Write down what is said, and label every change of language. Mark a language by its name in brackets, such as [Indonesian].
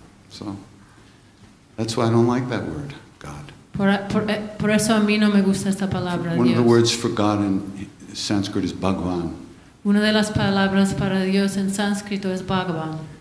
[English] So, that's why I don't like that word, God. [Spanish] Por eso a mí no me gusta esta palabra, [English] One [Spanish] Dios. [English] One of the words for God in Sanskrit is Bhagwan. [Spanish] Una de las palabras para Dios en sánscrito es Bhagavan.